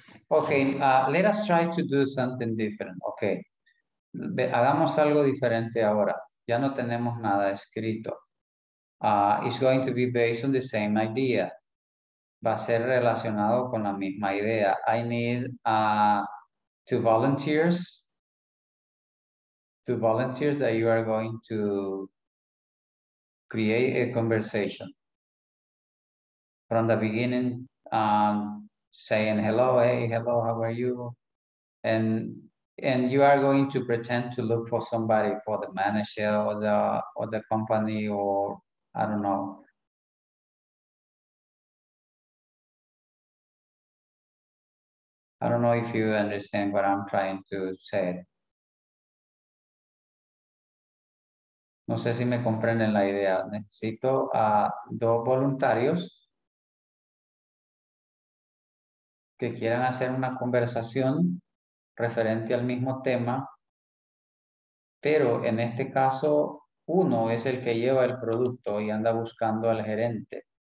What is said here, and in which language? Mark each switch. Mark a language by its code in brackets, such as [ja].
[en] Okay, let us try to do something different. Okay, [es] hagamos algo diferente ahora. Ya no tenemos nada escrito. [en] It's going to be based on the same idea. [es] Va a ser relacionado con la misma idea. [en] I need two volunteers. To volunteer that you are going to create a conversation from the beginning, saying hello, hey, hello, how are you, and you are going to pretend to look for somebody, for the manager or the company, or I don't know. I don't know if you understand what I'm trying to say. [es] No sé si me comprenden la idea. Necesito a dos voluntarios que quieran hacer una conversación referente al mismo tema, pero en este caso uno es el que lleva el producto y anda buscando al gerente.